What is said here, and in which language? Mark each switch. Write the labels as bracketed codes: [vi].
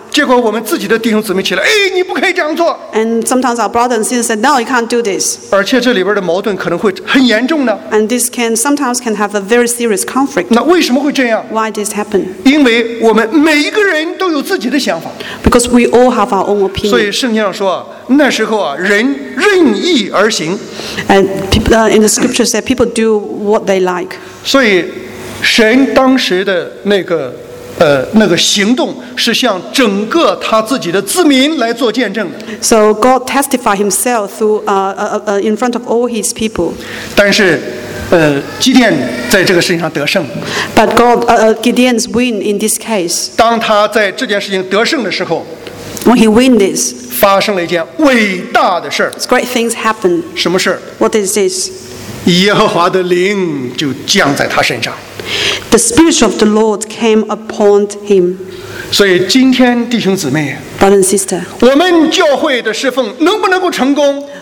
[zh] 结果我们自己的弟兄姊妹起来，哎，你不可以这样做。 [en] And sometimes our brothers and sisters said, "No, you can't do this." [zh] 而且这里边的矛盾可能会很严重的。 [en] And this can sometimes have a very serious conflict. [zh] 那为什么会这样 [en] ？Why this happen? [zh] 因为我们每一个人都有自己的想法。 [en] Because we all have our own opinion. [zh] 所以圣经上说，那时候啊，人任意而行。 [en] And people in the scripture said people do what they like. [zh] 所以，神当时的那个。那个行动是向整个他自己的子民来做见证的。 [en] So God testified himself through in front of all his people. [zh] 但是，基甸在这个事情上得胜。 [en] But God, Gideon's win in this case. [zh] 当他在这件事情得胜的时候 [en] ，When he win this, [zh] 发生了一件伟大的事。 [en] Great things happen. [zh] 什么事 [en] ？What is this? [zh] 耶和华的灵就降在他身上。 [en] The spirit of the Lord came upon him. [zh] 所以今天弟兄姊妹 [en] ，brother and sister， [zh] 我们教会的侍奉能不能够成功